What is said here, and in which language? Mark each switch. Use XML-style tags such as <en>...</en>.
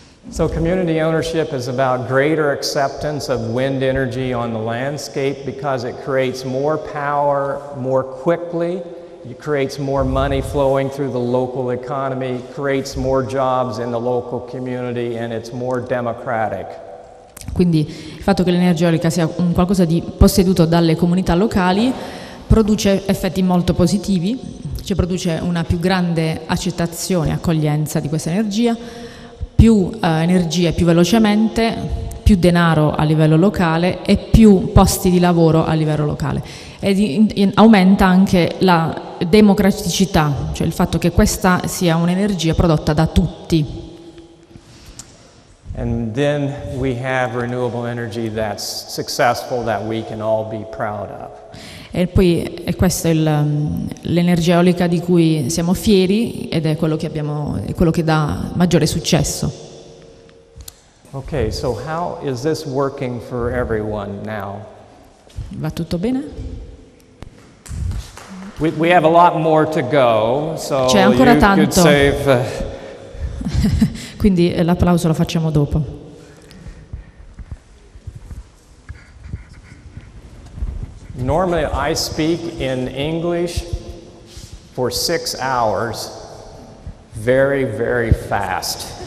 <en>So community ownership is about greater acceptance of wind energy on the landscape because it creates more power more quickly, it creates more money flowing through the local economy, creates more jobs in the local community, and it's more democratic.</en> <it>Quindi il fatto che l'energia eolica sia un qualcosa di posseduto dalle comunità locali produce effetti molto positivi, cioè produce una più grande accettazione, accoglienza di questa energia. Più energia più velocemente, più denaro a livello locale e più posti di lavoro a livello locale. E aumenta anche la democraticità, cioè il fatto che questa sia un'energia prodotta da tutti.</it> <en>And then we have renewable energy that's successful that we can all be proud of.</en> <it>E poi è questa l'energia eolica di cui siamo fieri ed è quello che dà maggiore successo.</it> <en>Okay, so how is this working for everyone now?</en> <it>Va tutto bene?</it> <en>We have a lot more to go, so</en> <it>c'è ancora</it> <en>you</en> <it>tanto.</it> <en>Could save.</en> <it>Quindi l'applauso lo facciamo dopo.</it> <en>Normally I speak in English for 6 hours, very, very fast.</en>